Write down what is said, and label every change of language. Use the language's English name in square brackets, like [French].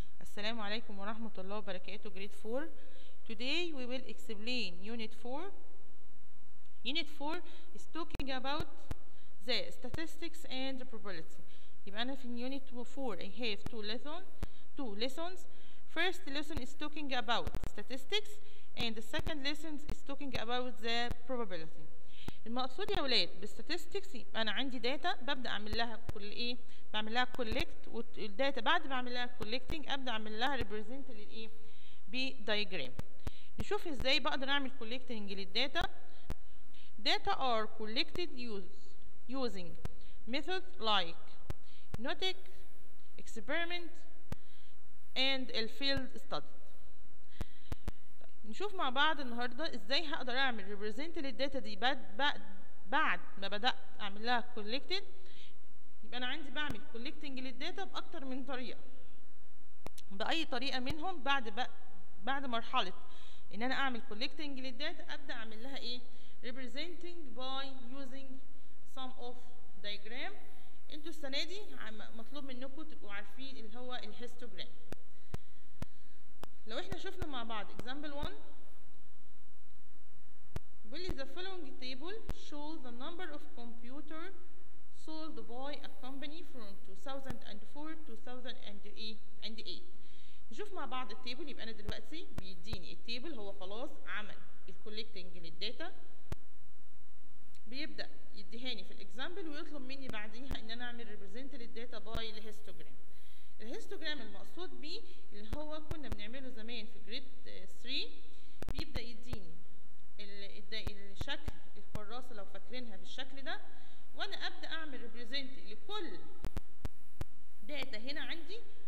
[Arabic] السلام عليكم ورحمة الله وبركاته. [English] Grade 4. Today we will explain Unit 4. Unit 4 is talking about the statistics and the probability. [Arabic] يبقى أنا في [English] Unit 4 I have two lessons. First lesson is talking about statistics and the second lesson is talking about the probability. [Arabic] المقصود يا ولاد بالستاتستكس انا عندي داتا ببدا اعمل لها كل ايه بعمل لها كولكت والداتا بعد ما اعمل لها كولكتنج ابدا اعمل لها ريبريزنت للايه بدايجرام. نشوف ازاي بقدر اعمل كولكتنج للداتا. [English] Data are collected using methods like notic experiment and a field study. [Arabic] نشوف مع بعض النهارده ازاي هقدر اعمل ريبريزنت للداتا دي بعد ما بدات اعمل لها كولكتد. يبقى انا عندي بعمل كولكتنج للداتا باكتر من طريقه. باي طريقه منهم بعد مرحله ان انا اعمل كولكتنج للداتا ابدا اعمل لها ايه ريبريزنتنج باي يوزنج سام اوف دايجرام. انتوا السنه دي مطلوب منكم تبقوا عارفين اللي هو الهيستوجرام. لو احنا شفنا مع بعض [English] example 1 will the following table show the number of computer sold by a company from 2004 2008. [Arabic] نشوف مع بعض التيبل. يبقى انا دلوقتي بيديني التيبل هو خلاص عمل الكوليكتنج للداتا بيبدا يديهاني في الاكزامبل ويطلب مني بعديها ان انا اعمل ريبريزنت للداتا باي الهيستوجرام. الهيستوجرام المقصود بيه اللي هو كنا بنعمله زمان في جريد 3 بيبدا يديني الشكل الكراسه لو فاكرينها بالشكل ده وانا ابدا اعمل ريبريزنت لكل داتا هنا عندي.